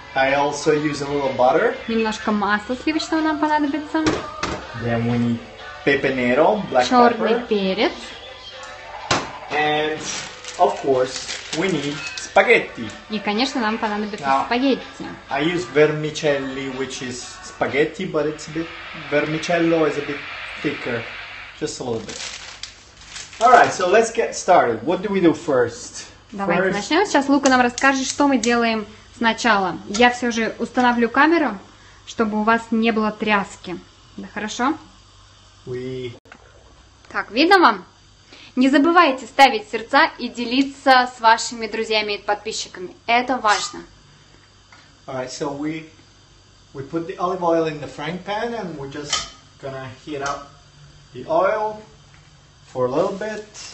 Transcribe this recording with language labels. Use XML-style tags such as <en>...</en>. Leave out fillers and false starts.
<en>I also use a little butter.</en> <ru>Немножко масла сливочного нам понадобится.</ru> <en>Then we need pepe nero, black</en> <ru>черный</ru> <en>pepper.</en> <ru>Перец.</ru> <en>And of course, we need spaghetti.</en> <ru>И, конечно, нам понадобится</ru> <en>Now,</en> <ru>спагетти.</ru> <en>I use vermicelli, which is spaghetti, but it's a bit vermicello is a bit thicker, just a little bit. All right, so let's get started. What do we do first?</en> <ru>Давайте</ru> <en>first...</en> <ru>начнем. Сейчас Лука нам расскажет, что мы делаем сначала. Я все же установлю камеру, чтобы у вас не было тряски. Да, хорошо?</ru> <en>We...</en> <ru>Так, видно вам? Не забывайте ставить сердца и делиться с вашими друзьями и подписчиками. Это важно.</ru> <en>Alright, so we put the olive oil in the frying pan and we're just gonna heat up the oil for a little bit.</en>